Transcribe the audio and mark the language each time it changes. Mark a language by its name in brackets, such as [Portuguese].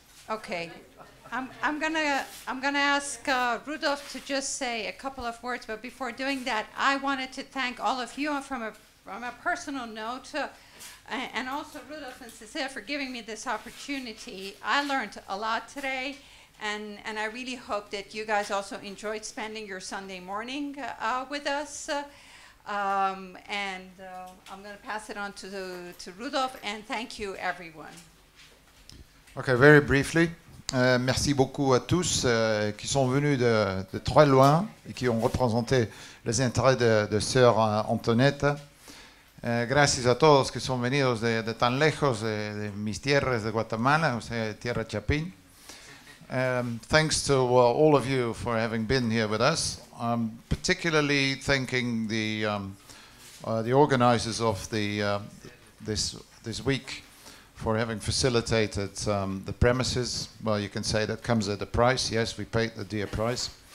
[English] Okay, I'm gonna ask Rudolf to just say a couple of words, but before doing that, I wanted to thank all of you from a personal note, and also Rudolf and Cecilia for giving me this opportunity. I learned a lot today, and I really hope that you guys also enjoyed spending your Sunday morning with us. I'm gonna pass it on to Rudolf, and thank you, everyone. Okay, very briefly, [French] Merci beaucoup à tous qui sont venus de très loin et qui ont représenté les intérêts de Sœur Antoinette. [Spanish] Gracias a todos que son venidos de tan lejos de mis tierras de Guatemala, o sea, Tierra Chapín. [English] Thanks to all of you for having been here with us. I'm particularly thanking the organizers of this week for having facilitated the premises. Well, you can say that comes at a price. Yes, we paid the dear price.